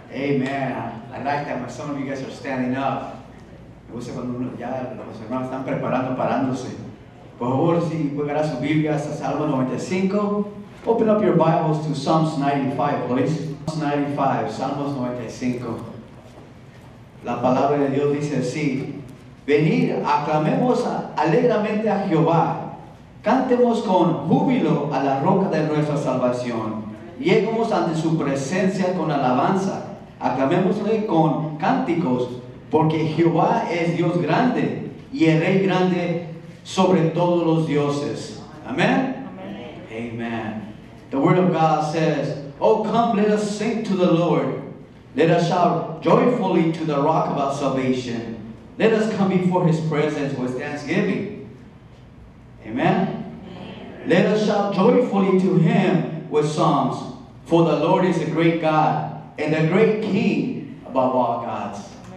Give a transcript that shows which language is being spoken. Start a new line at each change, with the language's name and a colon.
English: Amen. I like that some of you guys are standing up.
Spanish: Me gusta cuando ya los hermanos están preparando, parándose. Por favor, si pueden su Biblia hasta Salmo 95.
English: Open up your Bibles to Psalms 95, please. Psalms 95, Salmos 95.
Spanish: La palabra de Dios dice así. Venid, aclamemos alegremente a Jehová. Cantemos con júbilo a la roca de nuestra salvación. Lleguemos ante su presencia con alabanza. Aclamémosle con cánticos, porque Jehová es Dios grande y el Rey grande sobre todos los dioses. Amén. Amén.
English: Amen. The word of God says, oh, come, let us sing to the Lord. Let us shout joyfully to the rock of our salvation. Let us come before his presence with thanksgiving. Amen? Amen. Let us shout joyfully to him with psalms. For the Lord is a great God and a great King above all gods.